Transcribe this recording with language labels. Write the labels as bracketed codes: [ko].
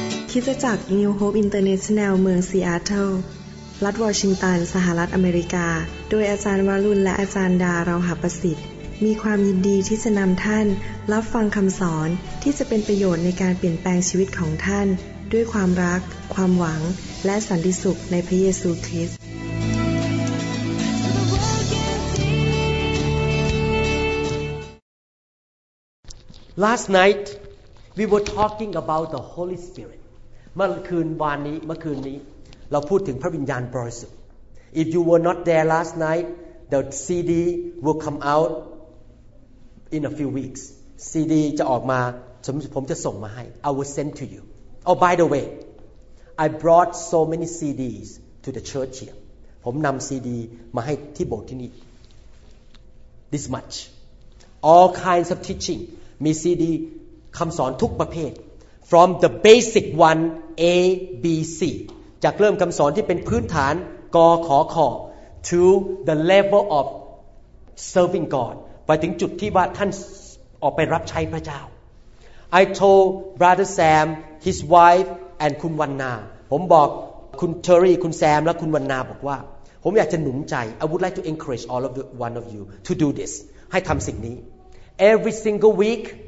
[th] คริสตจักร New Hope International เมืองซีแอตเทิลรัฐวอชิงตันสหรัฐอเมริกาโดยอาจารย์วรุณและอาจารย์ดาราหาประสิทธิ์มีความยินดีที่จะนำท่านรับฟังคำสอนที่จะเป็นประโยชน์ในการเปลี่ยนแปลงชีวิตของท่านด้วยความรักความหวังและสันติสุขในพระเยซูคริสต์ [en] Last night we were talking about the Holy Spirit [th] เมื่อคืนนี้เราพูดถึงพระวิญญาณบริสุทธิ์ [en] If you were not there last night, the CD will come out in a few weeks. [th] CD จะออกมาผมจะส่งมาให้ [en] I will send to you. Oh, by the way, I brought so many CDs to the church here. [th] ผมนำ CD มาให้ที่โบสถ์ที่นี่ [en] This much. All kinds of teaching. [th] มี CD คำสอนทุกประเภท [en] From the basic one, A, B, C. [th] จากเริ่มคำสอนที่เป็นพื้นฐานกอขอคอ [en] to the level of serving God [th] ไปถึงจุดที่ว่าท่านออกไปรับใช้พระเจ้า [en] I told Brother Sam, his wife and [th] คุณวันนาผมบอกคุณเทอร์รี่คุณแซมและคุณวันนาบอกว่าผมอยากจะหนุนใจ [en] I would like to encourage all of the, one of you to do this [th] ให้ทำสิ่งนี้ [en] Every single week